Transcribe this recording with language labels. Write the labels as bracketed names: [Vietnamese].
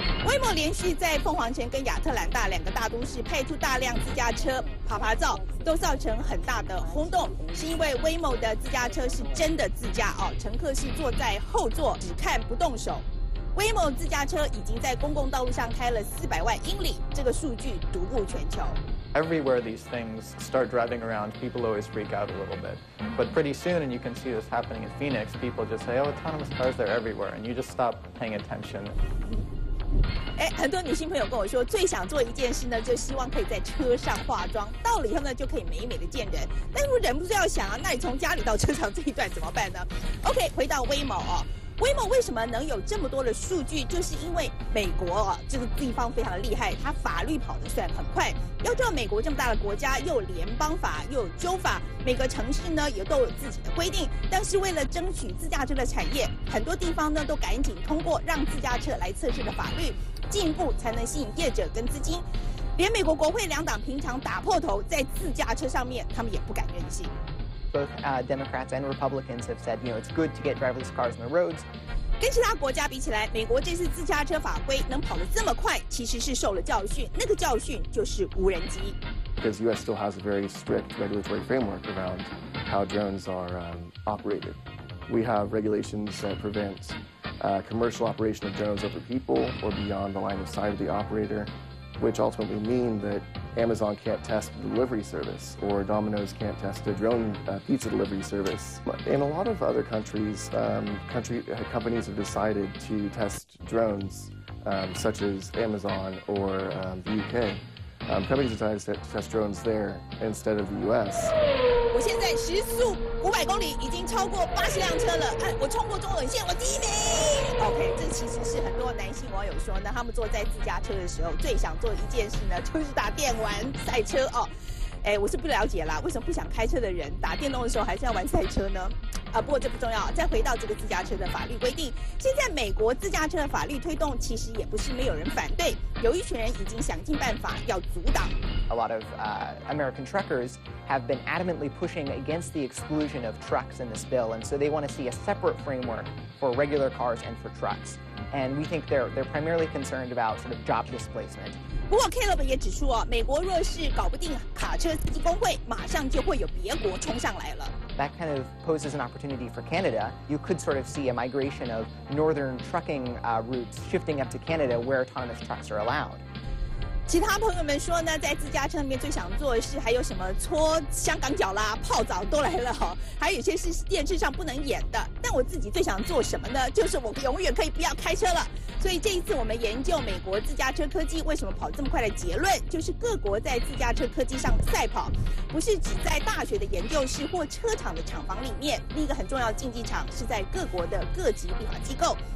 [Chinese] 威莫连续在凤凰城跟亚特兰大两个大都市派出大量自驾车爬爬照，都造成很大的轰动，是因为威莫的自驾车是真的自驾哦，乘客是坐在后座只看不动手。威莫自驾车已经在公共道路上开了400万英里，这个数据独步全球。 [English] Everywhere these things start driving around, people always freak out a little bit. But pretty soon, and you can see this happening in Phoenix, people just say, oh, autonomous cars, they're everywhere, and you just stop paying attention. [Chinese] 很多女性朋友跟我说，最想做一件事呢，就希望可以在车上化妆，到了以后呢，就可以美美的见人。但是我忍不住要想啊，那你从家里到车上这一段怎么办呢？ OK, 回到威莫哦。威莫为什么能有这么多的数据，就是因为美国这个地方非常的厉害，它法律跑得算很快。要知道美国这么大的国家，又有联邦法又有州法，每个城市呢也都有自己的规定，但是为了争取自驾车的产业，很多地方呢都赶紧通过让自驾车来测试的法律，进一步才能吸引业者跟资金。连美国国会两党平常打破头在自驾车上面，他们也不敢任性。 [English] Both Democrats and Republicans have said, you know, it's good to get driverless cars on the roads. [Chinese] 跟其他国家比起来，美国这次自驾车法规能跑得这么快，其实是受了教训。那个教训就是无人机。 [English] Because U.S. still has a very strict regulatory framework around how drones are operated. We have regulations that prevent commercial operation of drones over people or beyond the line of sight of the operator. Which ultimately mean that Amazon can't test a delivery service, or Domino's can't test a drone pizza delivery service. In a lot of other countries, companies have decided to test drones, such as Amazon or the UK. Companies have decided to test drones there instead of the US. [Chinese] 我现在时速500公里，已经超过80辆车了。看我冲过中耳线，我第一名。OK, 这其实是很多男性网友说呢，他们坐在自驾车的时候，最想做一件事呢，就是打电玩赛车哦。哎，我是不了解啦，为什么不想开车的人打电动的时候还是要玩赛车呢？不过这不重要。再回到这个自驾车的法律规定，现在美国自驾车的法律推动其实也不是没有人反对，有一群人已经想尽办法要阻挡。 [English] A lot of American truckers have been adamantly pushing against the exclusion of trucks in this bill, and so they want to see a separate framework for regular cars and for trucks. And we think they're primarily concerned about sort of job displacement. [Chinese] 不过 Caleb 也指出哦，美国若是搞不定卡车司机工会，马上就会有别国冲上来了。 [English] That kind of poses an opportunity for Canada. You could sort of see a migration of northern trucking routes shifting up to Canada where autonomous trucks are allowed. [Chinese] 其他朋友们说呢，在自驾车里面最想做的事还有什么搓香港脚啦、泡澡都来了哈、哦，还有些是电视上不能演的。但我自己最想做什么呢？就是我永远可以不要开车了。所以这一次我们研究美国自驾车科技为什么跑这么快的结论，就是各国在自驾车科技上赛跑，不是只在大学的研究室或车厂的厂房里面，另一个很重要的竞技场是在各国的各级立法机构。